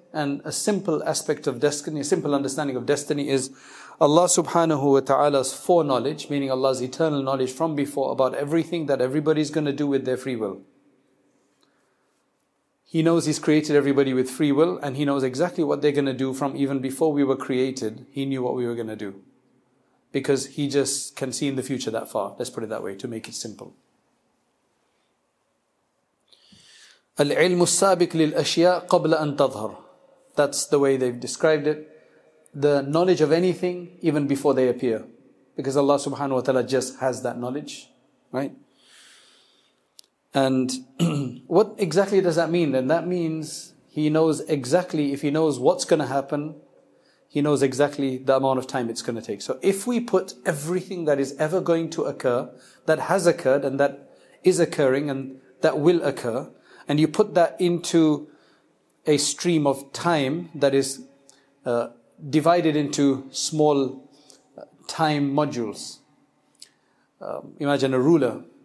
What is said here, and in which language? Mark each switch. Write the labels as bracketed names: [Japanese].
[English] And a simple aspect of destiny, a simple understanding of destiny is Allah subhanahu wa ta'ala's foreknowledge, meaning Allah's eternal knowledge from before about everything that everybody's going to do with their free will. He knows He's created everybody with free will, and He knows exactly what they're going to do from even before we were created. He knew what we were going to do, because He just can see in the future that far. Let's put it that way, to make it simple. [Arabic] العلم السابق للأشياء قبل أن تظهر. [English] That's the way they've described it. The knowledge of anything even before they appear, because Allah subhanahu wa ta'ala just has that knowledge, right? And what exactly does that mean? And that means He knows exactly, if He knows what's going to happen, He knows exactly the amount of time it's going to take. So if we put everything that is ever going to occur, that has occurred and that is occurring and that will occur, and you put that into a stream of time that is divided into small time modules. Imagine a ruler.